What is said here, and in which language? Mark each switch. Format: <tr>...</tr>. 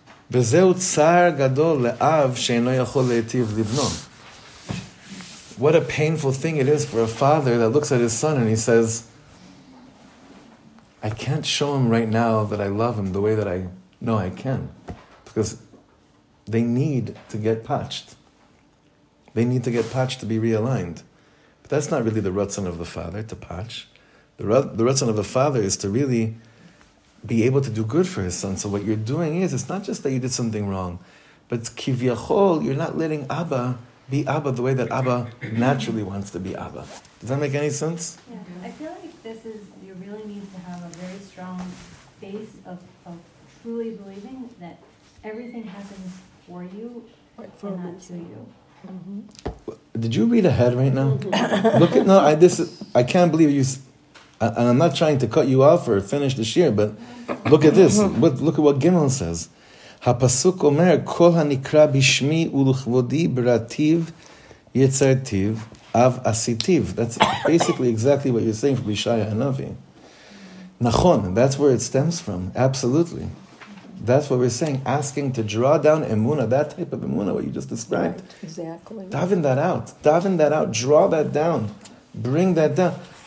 <he>וזהו צער גדול לאב שאינו יכול להטיב לבנו.</he> <en>What a painful thing it is for a father that looks at his son and he says, I can't show him right now that I love him the way that I know I can. Because they need to get patched. They need to get patched to be realigned. But that's not really the rutzen of the father, to patch. The rutzen of the father is to really be able to do good for his son. So what you're doing is, it's not just that you did something wrong, but kivyachol, you're not letting Abba be Abba the way that Abba naturally wants to be Abba. Does that make any sense? Yeah, I feel like this is, you really need to have a very strong base of truly believing that everything happens for you and not to you. Mm-hmm. Did you read ahead right now? Look at, I can't believe you, and I'm not trying to cut you off or finish this year, but look at this, look at what Gimel says.</en> <he>הפסוק אומר, כל הנקרא בשמי ולכבודי ברטיב יצרתיו אב עשיתיו.</he> <en>That's basically exactly what you're saying from Bishaya Hanavi. נכון, that's where it stems from, absolutely. That's what we're saying, asking to draw down emuna, that type of emuna, what you just described. Exactly. Daven that out, draw that down, bring that down.</en>